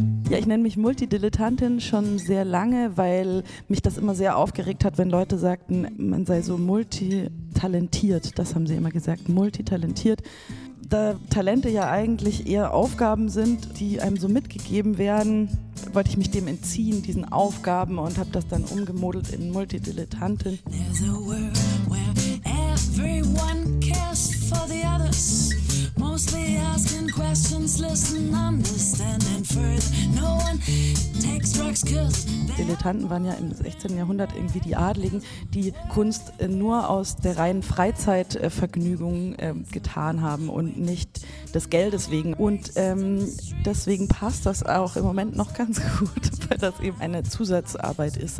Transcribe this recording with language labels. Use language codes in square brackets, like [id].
[de] Ja, ich nenne mich Multidilettantin schon sehr lange, weil mich das immer sehr aufgeregt hat, wenn Leute sagten, man sei so multitalentiert. Das haben sie immer gesagt, multitalentiert. Da Talente ja eigentlich eher Aufgaben sind, die einem so mitgegeben werden, wollte ich mich dem entziehen, diesen Aufgaben, und habe das dann umgemodelt in Multidilettantin. [en] There's a world where everyone cares for the others. Mostly asking questions, listen, understanding further. No one takes drugs, cause [de] Dilettanten waren ja im 16. Jahrhundert irgendwie die Adligen, die Kunst nur aus der reinen Freizeitvergnügung getan haben und nicht des Geldes wegen. Und deswegen passt das auch im Moment noch ganz gut, weil das eben eine Zusatzarbeit ist.